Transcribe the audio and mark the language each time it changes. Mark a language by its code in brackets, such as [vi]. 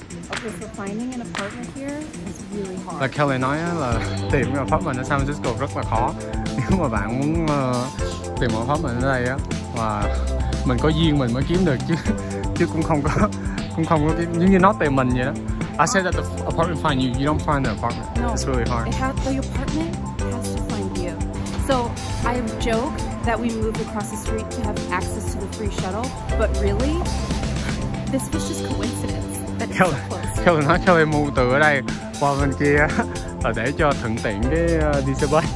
[en] Okay, so finding an apartment here is really hard. [vi] Là Kelly nói á, là tìm một apartment ở San Francisco rất là khó. Nếu mà bạn muốn tìm một apartment ở đây á, và mình có duyên mình mới kiếm được chứ cũng không có cái, giống như nó tìm mình vậy đó. [en] I said that the apartment find you. You don't find the apartment. No, it's really hard. The apartment has to find you. So I joke that we moved across the street to have access to the free shuttle, but really, this was just coincidence. [vi] Kelly nói Kelly move từ ở đây qua bên kia là để cho thuận tiện cái đi xe bus.